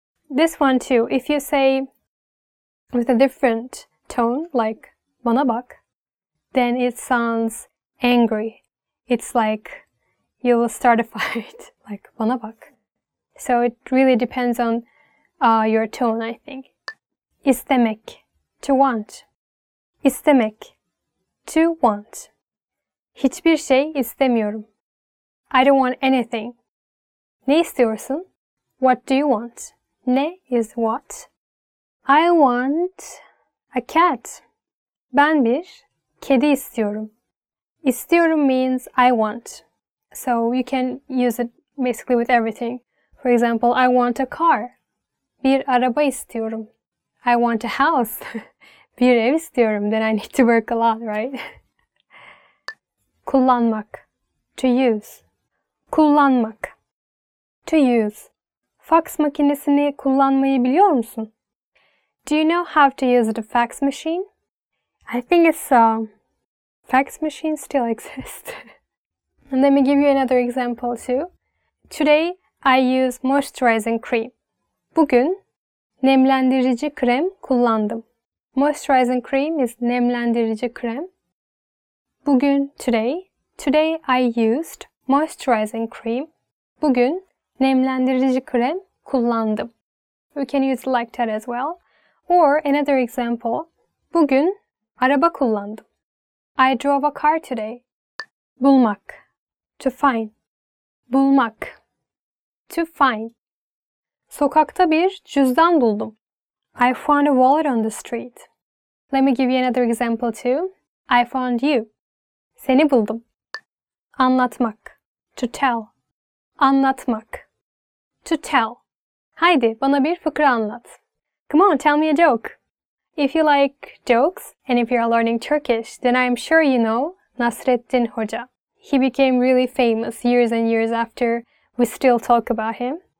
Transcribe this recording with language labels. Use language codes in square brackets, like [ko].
[en] This one too, if you say with a different tone, like [tr] bana bak, [en] then it sounds angry. It's like you will start a fight, like [tr] bana bak. [en] So it really depends on your tone, I think. İstemek, to want. İstemek. To want. [tr] Hiçbir şey istemiyorum. [en] I don't want anything. [tr] Ne istiyorsun? [en] What do you want? Ne is what? I want a cat. [tr] Ben bir kedi istiyorum. [en] İstiyorum means I want. So you can use it basically with everything. For example, I want a car. [tr] Bir araba istiyorum. [en] I want a house. [tr] Bir ev istiyorum. [en] Then I need to work a lot, right? Kullanmak. To use. Kullanmak. To use. [tr] Fax makinesini kullanmayı biliyor musun? [en] Do you know how to use the fax machine? I think it's fax machines still exist. And let me give you another example too. Today I use moisturizing cream. [tr] Bugün nemlendirici krem kullandım. [en] Moisturizing cream is nemlendirici krem. Bugün, today. Today I used moisturizing cream. [tr] Bugün nemlendirici krem kullandım. [en] We can use like that as well. Or another example. [tr] Bugün araba kullandım. [en] I drove a car today. Bulmak. To find. Bulmak. To find. [tr] Sokakta bir cüzdan buldum. [en] I found a wallet on the street. Let me give you another example too. I found you. [tr] Seni buldum. [en] Anlatmak. To tell. Anlatmak. To tell. [tr] Haydi bana bir fıkra anlat. [en] Come on, tell me a joke. If you like jokes and if you are learning Turkish, then I am sure you know Nasreddin Hoca. He became really famous years and years after we still talk about him.